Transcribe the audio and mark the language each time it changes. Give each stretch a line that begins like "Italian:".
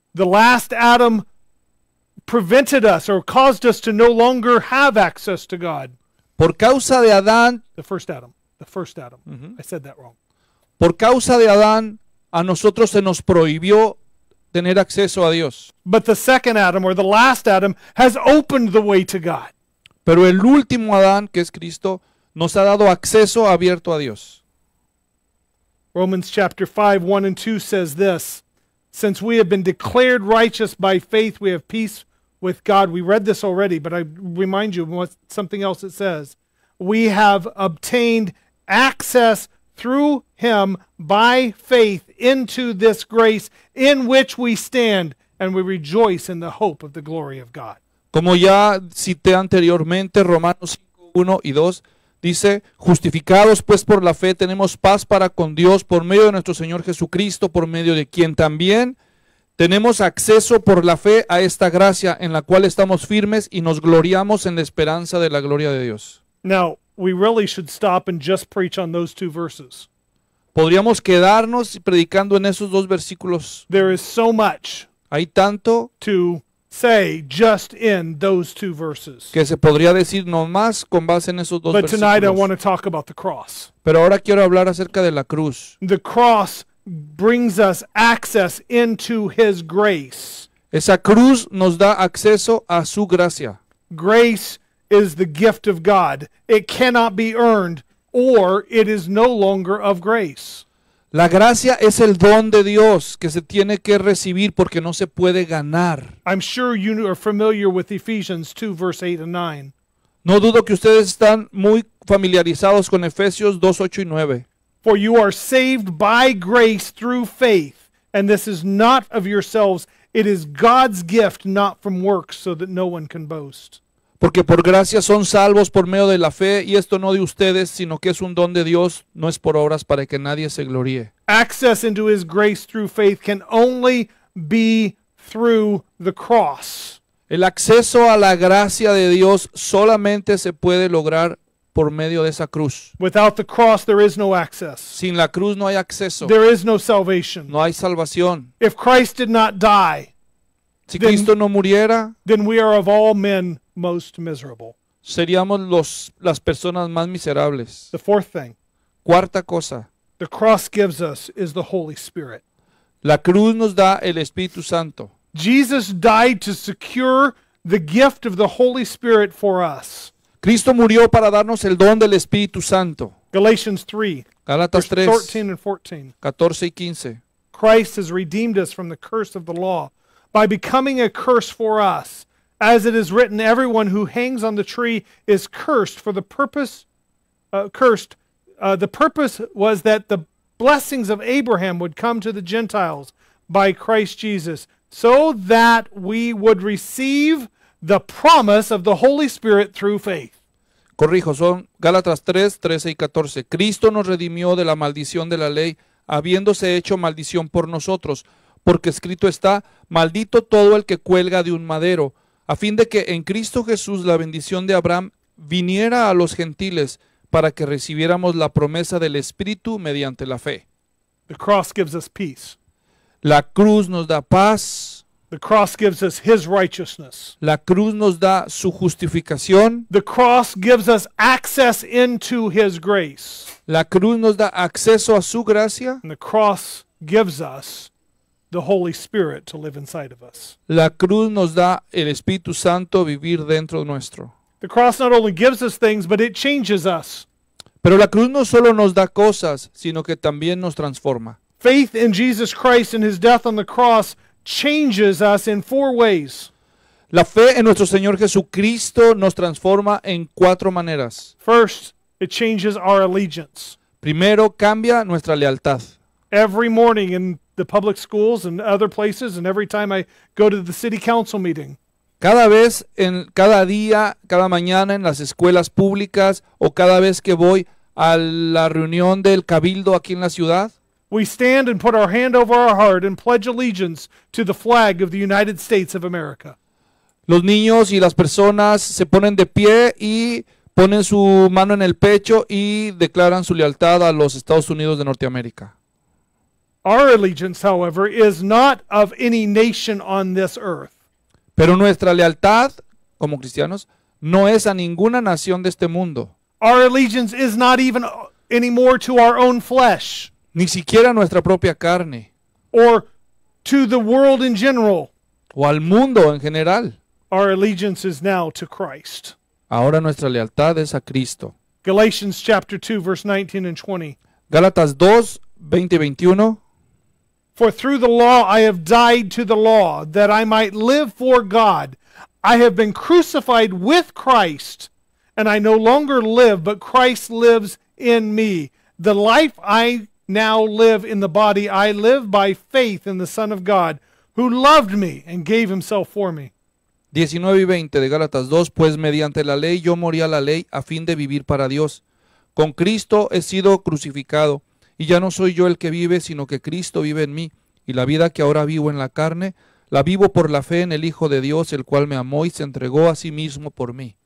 English: The last Adam prevented us or caused us to no longer have access to God.
Spanish: Por causa de Adán.
English: The first Adam. Mm-hmm. I said that wrong.
Spanish: Por causa de Adán, a nosotros se nos prohibió tener acceso a Dios.
English: But the second Adam or the last Adam has opened the way to God.
Spanish: Pero el último Adán, que es Cristo, nos ha dado acceso abierto a Dios.
English: Romans chapter 5, 1 and 2 says this. Since we have been declared righteous by faith, we have peace with God. We read this already, but I remind you of something else it says. We have obtained access through him by faith into this grace in which we stand, and we rejoice in the hope of the glory of God.
Spanish: Como ya cité anteriormente, Romanos 5, 1 y 2, dice, justificados pues por la fe, tenemos paz para con Dios por medio de nuestro Señor Jesucristo, por medio de quien también tenemos acceso por la fe a esta gracia en la cual estamos firmes y nos gloriamos en la esperanza de la gloria de Dios.
English: Now, we really should stop and just preach on those two verses.
Spanish: Podríamos quedarnos predicando en esos dos versículos.
English: There is so much.
Spanish: Hay tanto.
English: To say just in those two verses.
Spanish: Que se podría decir nomás con base en esos dos versículos.
English: But tonight I want to talk about the cross.
Spanish: Pero ahora quiero hablar acerca de la cruz.
English: The cross brings us access into his grace.
Spanish: Esa cruz nos da acceso a su gracia.
English: Grace is the gift of God. It cannot be earned or it is no longer of grace.
Spanish: La gracia es el don de Dios que se tiene que recibir porque no se puede ganar.
English: I'm sure you are familiar with Ephesians 2, verse 8 and 9.
Spanish: No dudo que ustedes están muy familiarizados con Efesios 2, 8 y 9.
English: For you are saved by grace through faith, and this is not of yourselves. It is God's gift, not from works, so that no one can boast.
Spanish: Porque por gracia son salvos por medio de la fe, y esto no de ustedes, sino que es un don de Dios, no es por obras para que nadie se gloríe.
English: Access into his grace through faith can only be through the cross.
Spanish: El acceso a la gracia de Dios solamente se puede lograr por medio de esa cruz.
English: Without the cross, there is no access.
Spanish: Sin la cruz no hay acceso.
English: There is no salvation.
Spanish: No hay salvación.
English: If Christ did not die,
Spanish: si Cristo no muriera,
English: then we are of all men most miserable.
Spanish: Seríamos las personas más miserables.
English: The fourth thing.
Spanish: Cuarta cosa.
English: The cross gives us is the Holy Spirit.
Spanish: La cruz nos da el Espíritu Santo.
English: Jesus died to secure the gift of the Holy Spirit for us.
Spanish: Cristo murió para darnos el don del Espíritu Santo.
English: Galatians 3.
Spanish: Galatas 3.
English: 13 and 14.
Spanish: 14 y 15.
English: Christ has redeemed us from the curse of the law by becoming a curse for us. As it is written, everyone who hangs on the tree is cursed for the purpose, cursed. The purpose was that the blessings of Abraham would come to the Gentiles by Christ Jesus, so that we would receive the promise of the Holy Spirit through faith.
Spanish: Corrijo, son Gálatas 3, 13 y 14. Cristo nos redimió de la maldición de la ley, habiéndose hecho maldición por nosotros, porque escrito está, maldito todo el que cuelga de un madero, a fin de que en Cristo Jesús la bendición de Abraham viniera a los gentiles para que recibiéramos la promesa del Espíritu mediante la fe.
English: The cross gives us peace.
Spanish: La cruz nos da paz.
English: The cross gives us his righteousness.
Spanish: La cruz nos da su justificación.
English: The cross gives us access into his grace.
Spanish: La cruz nos da acceso a su gracia.
English: And the cross gives us the Holy Spirit to live inside of us.
Spanish: La cruz nos da el Espíritu Santo vivir dentro nuestro.
English: The cross not only gives us things, but it changes us.
Spanish: Pero la cruz no solo nos da cosas, sino que también nos transforma.
English: Faith in Jesus Christ and his death on the cross changes us in four ways.
Spanish: La fe en nuestro Señor Jesucristo nos transforma en cuatro maneras.
English: First, it changes our allegiance.
Spanish: Primero, cambia nuestra lealtad.
English: Every morning in the public schools and other places, and every time I go to the city council meeting.
Spanish: Cada vez, cada día, cada mañana en las escuelas públicas o cada vez que voy a la reunión del cabildo aquí en la ciudad.
English: We stand and put our hand over our heart and pledge allegiance to the flag of the United States of America.
Spanish: Los niños y las personas se ponen de pie y ponen su mano en el pecho y declaran su lealtad a los Estados Unidos de Norteamérica.
English: Our allegiance, however, is not of any nation on this earth.
Spanish: Pero nuestra lealtad como cristianos no es a ninguna nación de este mundo.
English: Our allegiance is not even anymore to our own flesh.
Spanish: Ni siquiera nuestra propia carne.
English: Or to the world in general.
Spanish: O al mundo en general.
English: Our allegiance is now to Christ.
Spanish: Ahora nuestra lealtad es a Cristo.
English: Galatians chapter 2 verse 19 and 20.
Spanish: Gálatas 2 20 y 21.
English: For through the law I have died to the law that I might live for God. I have been crucified with Christ, and I no longer live, but Christ lives in me. The life I now live in the body, I live by faith in the Son of God, who loved me and gave himself for me.
Spanish: 19 y 20 de Gálatas 2, pues mediante la ley yo morí a la ley a fin de vivir para Dios. Con Cristo he sido crucificado, y ya no soy yo el que vive, sino que Cristo vive en mí, y la vida que ahora vivo en la carne, la vivo por la fe en el Hijo de Dios, el cual me amó y se entregó a sí mismo por mí.